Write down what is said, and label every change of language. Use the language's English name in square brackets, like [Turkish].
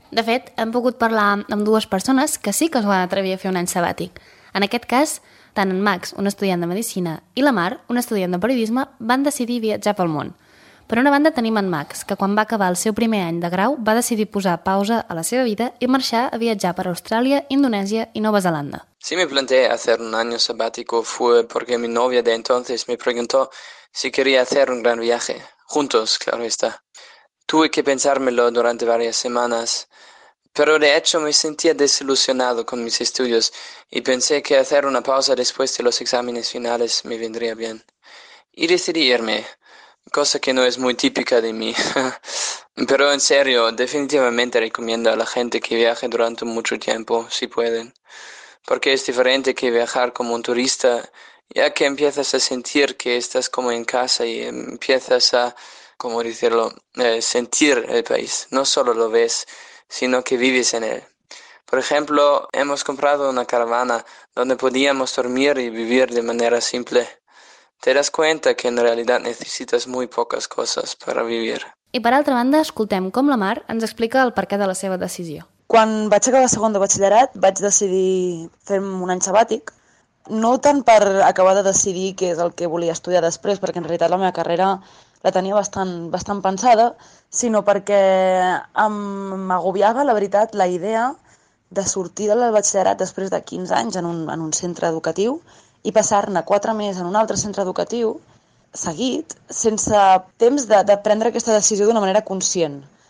[Catalan] De fet, hem pogut parlar amb dues persones que sí que es van atrevir a fer un any sabàtic. En aquest cas, tant en Max, un estudiant de Medicina, i la Mar, un estudiant de Periodisme, van decidir viatjar pel món. Per una banda, tenim en Max, que quan va acabar el seu primer any de grau va decidir posar pausa a la seva vida i marxar a viatjar per Austràlia, Indonèsia i Nova Zelanda. [Spanish] Si me planteé hacer un año sabático fue porque mi novia de entonces me preguntó si quería hacer un gran viaje. Juntos, claro está. Tuve que pensármelo durante varias semanas, pero de hecho me sentía desilusionado con mis estudios y pensé que hacer una pausa después de los exámenes finales me vendría bien. Y decidí irme, cosa que no es muy típica de mí. Pero en serio, definitivamente recomiendo a la gente que viaje durante mucho tiempo, si pueden. Porque es diferente que viajar como un turista, ya que empiezas a sentir que estás como en casa y empiezas a, como decirlo, sentir el país. No solo lo ves, sino que vives en él. Por ejemplo, hemos comprado una caravana donde podíamos dormir y vivir de manera simple. Te das cuenta que en realidad necesitas muy pocas cosas para vivir. [Catalan] I per altra banda, escoltem com la Mar ens explica el perquè de la seva decisió. Quan vaig acabar segon de batxillerat, vaig decidir fer-me un any sabàtic. No tant per acabar de decidir què és el que volia estudiar després, perquè en realitat la meva carrera la tenia bastant pensada, sinó perquè m'agobiava, la veritat, la idea de sortir del batxillerat després de 15 anys en un centre educatiu i passar-ne 4 mesos en un altre centre educatiu seguit, sense temps de prendre aquesta decisió d'una manera conscient.